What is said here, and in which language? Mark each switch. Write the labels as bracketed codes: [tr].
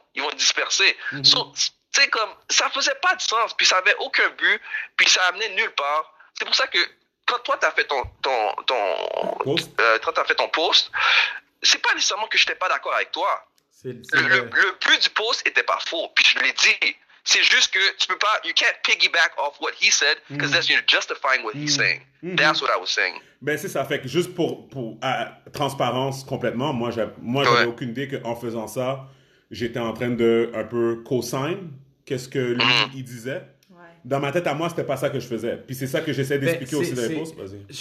[fr] Ils vont disperser. Ça ne faisait pas de sens. Puis ça n'avait aucun but. Puis ça amenait nulle part. C'est pour ça que quand toi, tu as fait ton post, c'est pas nécessairement que je n'étais pas d'accord avec toi. Le but du post n'était pas faux. Puis je l'ai dit. C'est juste que tu peux pas, [en] you can't piggyback off what he said, because that's you're justifying what he's saying. That's what I was saying. [fr] Ben c'est ça, fait que juste pour transparence complètement, moi j'avais aucune idée qu'en faisant ça, j'étais en train de un peu co-sign qu'est-ce que lui il disait. Ouais. Dans ma tête à moi, c'était pas ça que je faisais. Puis c'est ça que j'essaie d'expliquer aussi dans les posts. Vas-y.